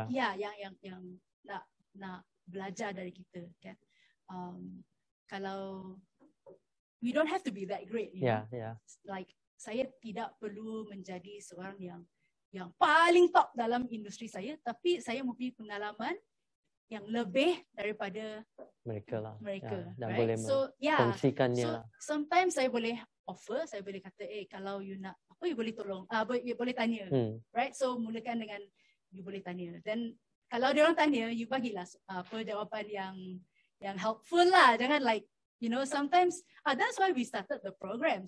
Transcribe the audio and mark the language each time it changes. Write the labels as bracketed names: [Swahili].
[Malay] yang nak belajar dari kita, kan? Kalau [English] we don't have to be that great, you know? [Malay] Like saya tidak perlu menjadi seorang yang paling top dalam industri saya, tapi saya mempunyai pengalaman yang lebih daripada mereka lah. Mereka, dan [English] right? [Malay] Boleh kongsikannya. [English] So sometimes [Malay] saya boleh offer, saya boleh kata, kalau you nak, you boleh tolong, you boleh tanya, [English] right? [Malay] So mulakan dengan you boleh tanya. Then kalau dia orang tanya, you bagilah apa jawapan yang helpful lah. Jangan [English] like, you know, sometimes that's why we started the program.